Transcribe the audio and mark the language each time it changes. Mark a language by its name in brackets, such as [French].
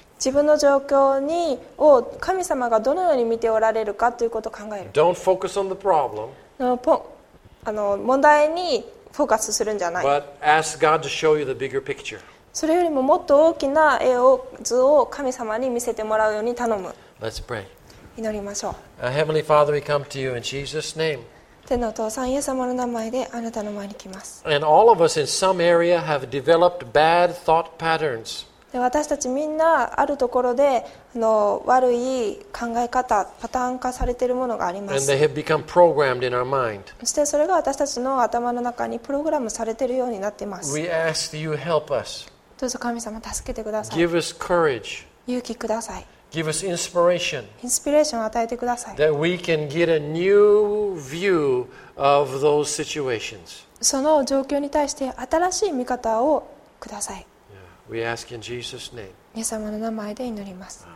[Japanese] 自分の状況にを神様がどのように見ておられるかということを考える。 [English] Don't focus on the problem. [Japanese] あの問題にフォーカスするんじゃない。 [English] But ask God to show you the bigger picture. [Japanese] それよりももっと大きな絵を図を神様に見せてもらうように頼む。 [English] Let's pray. [Japanese] 祈りましょう。 [English] Heavenly Father, we come to you in Jesus' name. [Japanese] 天のお父さん、イエス様の名前であなたの前に来ます。 [English] And all of us in some area have developed bad thought patterns. [Japanese] 私たちみんなあるところであの悪い考え方、パターン化されているものがあります。 [English] And they have become programmed in our mind. [Japanese] そしてそれが私たちの頭の中にプログラムされているようになっています。 [English] We ask that you help us. [Japanese] どうぞ神様助けてください。 [English] Give us courage. [Japanese] 勇気ください。 [English] Give us inspiration. [Japanese] インスピレーションを与えてください。 [English] That we can get a new view of those situations. [Japanese] その状況に対して新しい見方をください。 [English] We ask in Jesus' name. [Japanese] イエス様の名前で祈ります。